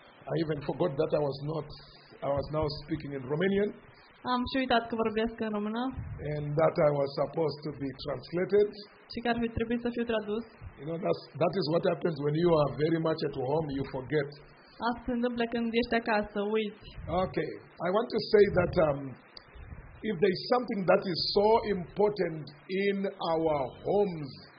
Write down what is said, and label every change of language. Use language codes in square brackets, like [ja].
[en] I even forgot that I was now speaking in Romanian. [ro] Am și uitat că vorbesc în română. [en] And that I was supposed to be translated. [ro] Și că ar fi trebuit să fiu tradus. [en] You know, that is what happens when you are very much at home, you forget. [ro] Asta se întâmplă când ești acasă, uiți. [en] Okay. I want to say that if there is something that is so important in our homes,